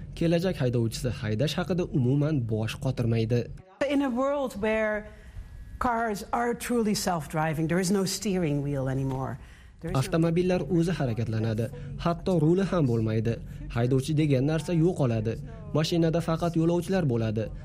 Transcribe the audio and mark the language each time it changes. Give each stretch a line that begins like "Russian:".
Uzbek: Kelajak haydovchisi haydash haqida umuman bosh qotirmaydi.
English: In a world where cars are truly self-driving, there is no steering wheel anymore.
Uzbek: Avtomobillar o'zi harakatlanadi, hatto ruli ham bo'lmaydi. Haydovchi degan narsa yo'qoladi. Mashinada faqat yo'lovchilar bo'ladi.